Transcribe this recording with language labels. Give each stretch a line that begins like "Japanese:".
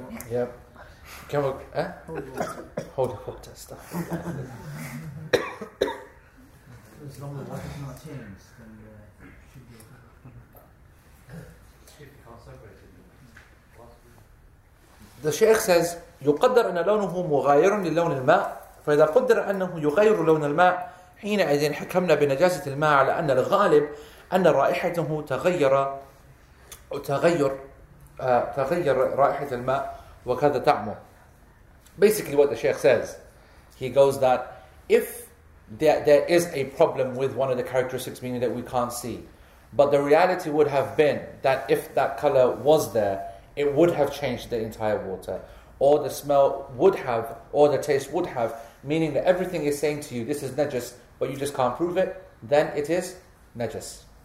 English: Yep. Can we, hold the water stuff. As long as the water does not change, then it should be okay. The Shaykh says,
Arabic: يقدر أن لونه مغاير للون الماء فإذا قدر أنه يغير لون الماء حينئذ حكمنا بنجاسة الماء على أن الغالب أن رائحته تغير تغير رائحة الماء وكذا طعمه.
English: Basically what the Shaykh says, he goes that if there is a problem with one of the characteristics, meaning that we can't see, but the reality would have been that if that color was there, it would have changed the entire water, or the smell would have, or the taste would have, meaning that everything is saying to you, this is najas, but you just can't prove it, then it is najas.